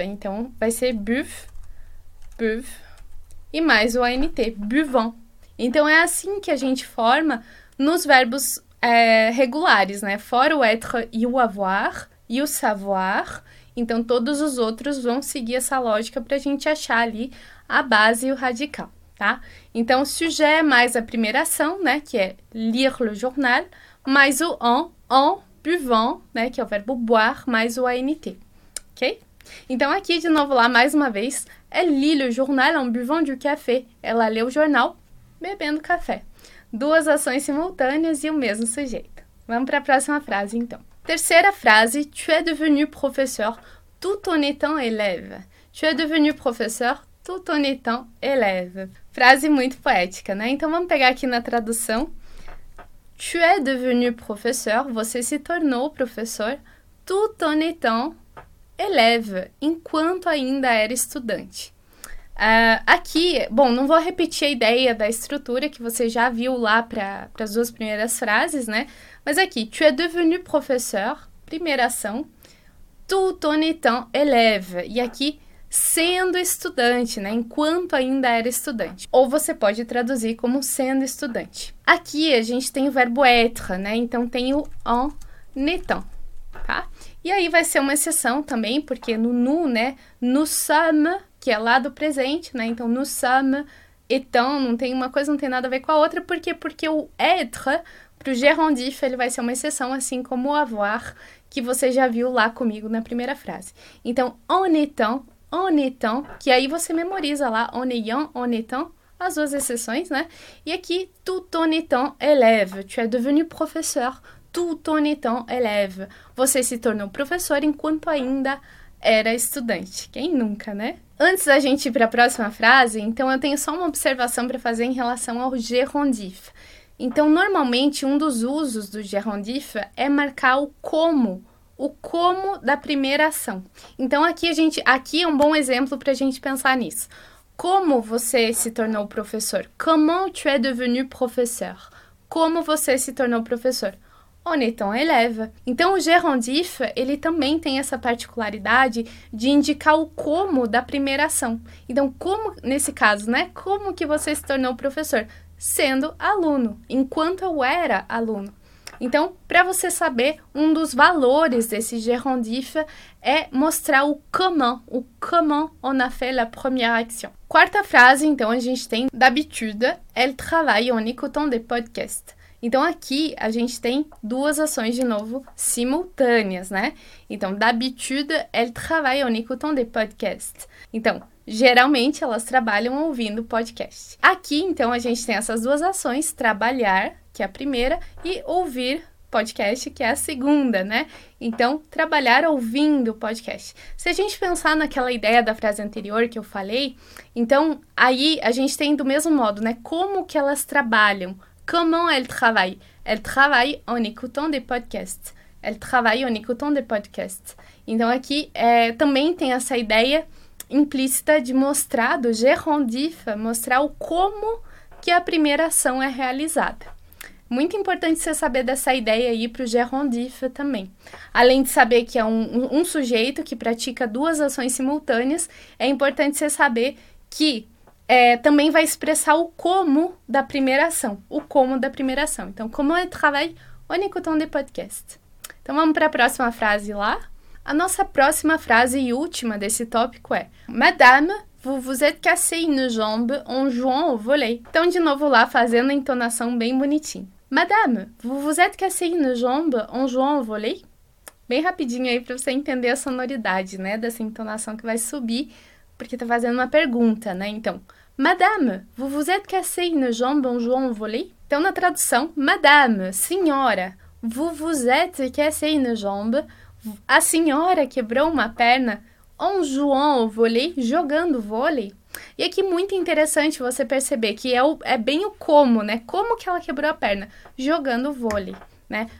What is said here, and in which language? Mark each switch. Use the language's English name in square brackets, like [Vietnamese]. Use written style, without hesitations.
[Portuguese] Então, vai ser buv, buv, e mais o ant, buvant. Então, é assim que a gente forma nos verbos regulares, né? Fora o être e o avoir, e o savoir. Então, todos os outros vão seguir essa lógica para a gente achar ali a base e o radical, tá? Então, o sujet é mais a primeira ação, né? Que é [French] lire le journal, [Portuguese] mais o [French] en buvant, [Portuguese] né? Que é o verbo boire, mais o ant, ok? Então, aqui de novo lá, mais uma vez, [French] elle lit le journal en buvant du café. [Portuguese] Ela lê o jornal bebendo café. Duas ações simultâneas e o mesmo sujeito. Vamos para a próxima frase, então. Terceira frase. [French] Tu es devenu professeur tout en étant élève. Tu es devenu professeur tout en étant élève. [Portuguese] Frase muito poética, né? Então, vamos pegar aqui na tradução. [French] Tu es devenu professeur. [Portuguese] Você se tornou professor [French] tout en étant élève. [Portuguese] Enquanto ainda era estudante. Aqui, bom, não vou repetir a ideia da estrutura que você já viu lá para as duas primeiras frases, né? Mas aqui, [French] tu es devenu professeur, [Portuguese] primeira ação, [French] tout en étant élève. [Portuguese] E aqui, sendo estudante, né? Enquanto ainda era estudante. Ou você pode traduzir como sendo estudante. Aqui, a gente tem o verbo être, né? Então, tem o [French] en étant, [Portuguese] tá? E aí, vai ser uma exceção também, porque no nous, né? [French] Nous sommes, [Portuguese] que é lá do presente, né? Então, [French] nous sommes, étant, [Portuguese] não tem uma coisa, não tem nada a ver com a outra. Por quê? Porque o être, para o gerondif, ele vai ser uma exceção, assim como o avoir, que você já viu lá comigo na primeira frase. Então, [French] en étant, [Portuguese] que aí você memoriza lá, [French] en étant, [Portuguese] as duas exceções, né? E aqui, [French] tout en étant élève, tu es devenu professeur, tout en étant élève. [Portuguese] Você se tornou professor enquanto ainda era estudante. Quem nunca, né? Antes da gente ir para a próxima frase, então, eu tenho só uma observação para fazer em relação ao gerondif. Então, normalmente, um dos usos do gerondif é marcar o como da primeira ação. Então, aqui é um bom exemplo para a gente pensar nisso. Como você se tornou professor? [French] Comment tu es devenu professeur? [Portuguese] Como você se tornou professor? [French] En étant élève. [Portuguese] Então, o gerondif, ele também tem essa particularidade de indicar o como da primeira ação. Então, como, nesse caso, né? Como que você se tornou professor? Sendo aluno, enquanto eu era aluno. Então, para você saber, um dos valores desse gerondif é mostrar o [French] comment on a fait la première action. [Portuguese] Quarta frase, então, a gente tem, [French] d'habitude, elle travaille en écoutant des podcasts. [Portuguese] Então, aqui, a gente tem duas ações, de novo, simultâneas, né? [French] Então, d'habitude, elles travaillent en écoutant des podcasts. [Portuguese] Então, geralmente, elas trabalham ouvindo podcast. Aqui, então, a gente tem essas duas ações, trabalhar, que é a primeira, e ouvir podcast, que é a segunda, né? Então, trabalhar ouvindo podcast. Se a gente pensar naquela ideia da frase anterior que eu falei, então, aí, a gente tem do mesmo modo, né? Como que elas trabalham? [French] Comment elle travaille? Elle travaille en écoutant des podcasts. Elle travaille en écoutant des podcasts. [Portuguese] Então, aqui também tem essa ideia implícita de mostrar, do gerondif, mostrar o como que a primeira ação é realizada. Muito importante você saber dessa ideia aí para o gerondif também. Além de saber que é um sujeito que pratica duas ações simultâneas, é importante você saber que também vai expressar o como da primeira ação. O como da primeira ação. Então, como é [French] travail en écoutant des podcasts. [Portuguese] Então, vamos para a próxima frase lá. A nossa próxima frase e última desse tópico é: [French] Madame, vous êtes cassé une jambe en jouant au volley. [Portuguese] Então, de novo lá, fazendo a entonação bem bonitinha. [French] Madame, vous êtes cassé une jambe en jouant au volley. [Portuguese] Bem rapidinho aí para você entender a sonoridade, né? Dessa entonação que vai subir, porque está fazendo uma pergunta, né? Então, [French] Madame, vous êtes cassé une jambe en jouant au volley? [Portuguese] Então, na tradução, [French] Madame, [Portuguese] senhora, [French] vous êtes cassé une jambe, [Portuguese] a senhora quebrou uma perna [French] en jouant au volley, [Portuguese] jogando vôlei. E aqui muito interessante você perceber que é bem o como, né? Como que ela quebrou a perna? Jogando vôlei, né?